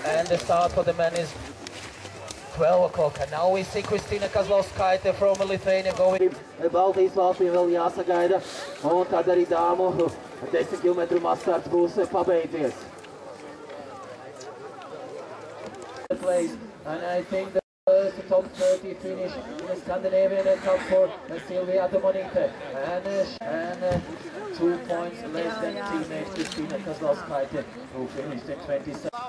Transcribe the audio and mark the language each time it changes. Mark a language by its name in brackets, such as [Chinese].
[English] And the start for the men is 12 o'clock, and now we see Kristina Kazlauskaite from Lithuania going. [Latvian] Baltijas valstīm vēl jāsagaida, un tad arī dāmu 10 km mazstarts būs pabeidzies. [English] And I think the first top 30 finish in the Scandinavian Cup for Silvia Domonite. And 2 points less than teammate Kristina Kazlauskaite, who finished in 27.